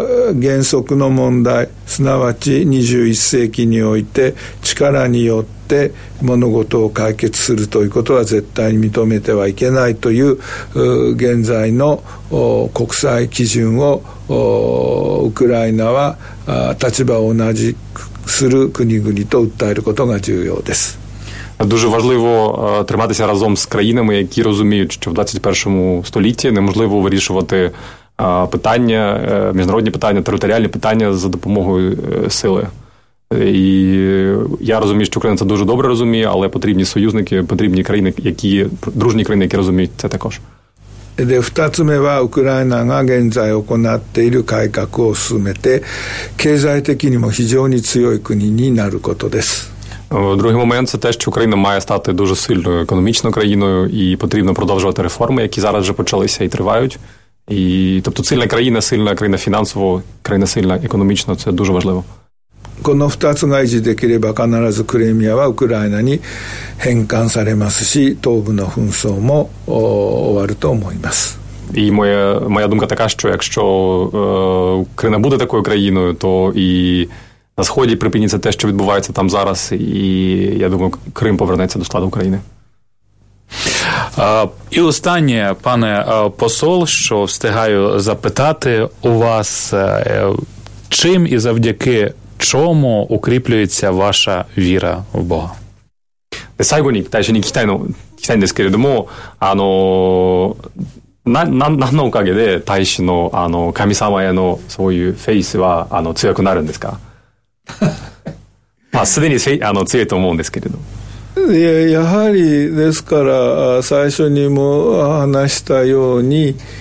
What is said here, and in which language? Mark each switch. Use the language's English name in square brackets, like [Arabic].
[Japanese] クリミアの併合が終わるというか、クリミアが戻るためには何をやった方がいいか、何をしたらいいんですかね。いくつかありますけど、まずは原則の問題、すなわち 21世紀において力によって物事を解決するということは絶対に認めてはいけないとい う現在の国際基準をウクライナは立場を同じくする国々と訴えることが重要です。 [Ukrainian] дуже важливо триматися разом з країнами, які розуміють, що в 21 столітті неможливо вирішувати питання, міжнародні питання, територіальні питання за допомогою сили. І я розумію, що Україна це дуже добре розуміє, але потрібні союзники, потрібні країни, які дружні країни, які розуміють це також. [Japanese] で、 2つ目はウクライナが現在行っている改革を進めて経済的にも非常に強い国になることです。 [Ukrainian] Другий момент це те, що Україна має стати дуже сильною економічною країною і потрібно продовжувати реформи, які зараз вже почалися і тривають. І тобто сильна країна фінансово, країна сильна економічно, це дуже важливо. [Japanese] この 2つが維持できれば必ずクリミアはウクライナに返還されますし、東部の紛争も終わると思います。 [Ukrainian] І моя думка така, що якщо Україна буде такою країною, то і на Сході припиниться те, що відбувається там зараз, і я думаю, Крим повернеться до складу України. І останнє, пане посол, що встигаю запитати у вас, чим і завдяки чому укріплюється ваша віра в Бога? [Japanese] やはりですから最初にも話したように